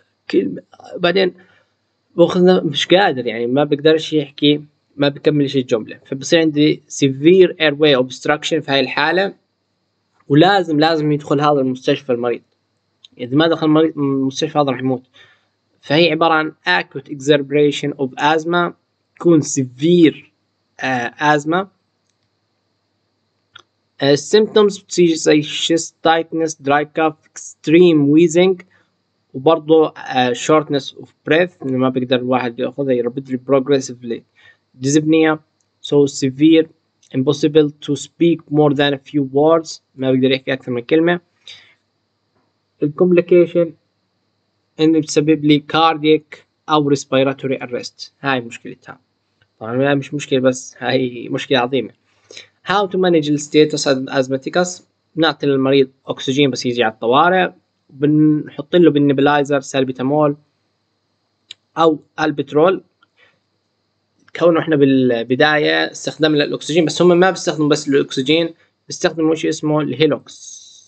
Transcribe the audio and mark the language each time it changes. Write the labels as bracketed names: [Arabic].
[Arabic] كلمة بعدين باخذ مش قادر، يعني ما بقدرش يحكي، ما بكملش الجملة، فبصير عندي سيفير اير واي اوبستراكشن في هاي الحالة، ولازم يدخل هذا المستشفى المريض، اذا ما دخل المريض المستشفى هذا راح يموت. فهي عبارة عن اكوت اكزربريشن اوف ازما، تكون سيفير ازما. السيمبتومز بتصير زي [English] chest tightness, dry cough, extreme wheezing، وبرضو shortness of breath، [Arabic] انه ما بيقدر الواحد ياخذها، [English] rapidly progressively dyspnea, so severe impossible to speak more than a few words، [Arabic] ما بيقدر يحكي اكثر من كلمة. الكومبليكيشن انه بتسبب لي cardiac او [English] respiratory arrest، [Arabic] هاي مشكلتها. طبعا هي مش مشكلة، بس هاي مشكلة عظيمة. [English] How to manage the status asthmaticus، [Arabic] بنعطي للمريض اكسجين بس يجي على الطوارئ، بنحط له بالنبلايزر سالبيتامول او البترول، كونه احنا بالبدايه استخدمنا الاكسجين، بس هم ما بيستخدموا بس الاكسجين، بيستخدموا شيء اسمه الهيلوكس.